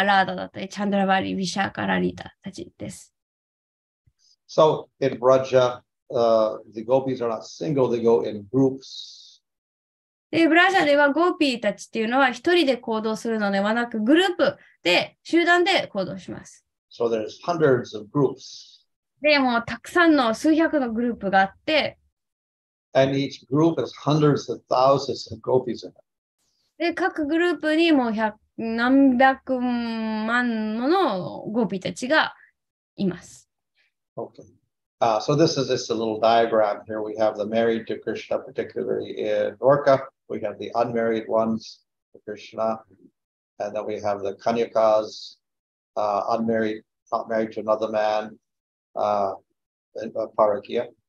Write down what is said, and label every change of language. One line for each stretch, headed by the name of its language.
Japanese: で、その、さっき言ったこのデーバタたちは、そのもともとはクリシュナの永遠のゴピーですね。で、この永遠のゴピーたち、ニッチャプリヤは、主なのが、ラーダだったり、チャンドラバリ、ビシャカラリタたちです。
English: So in Raja, the gopis are not single, they go in groups.
Japanese: で、ブラジャではゴーピーたちっていうのは一人で行動するのではなく、グループで、集団で行動します。
English: So there's hundreds of groups.
Japanese: でもたくさんの数百のグループがあって、
English: And each group has hundreds of thousands of gopis in it.
Japanese: で、各グループにも何百万ものゴーピーたちがいます。
English: Okay. So this is just a little diagram here. We have the married to Krishna, particularly in Dwarka. We have the unmarried ones to Krishna. And then we have the Kanyakas, unmarried, not married to another man, in Parakya.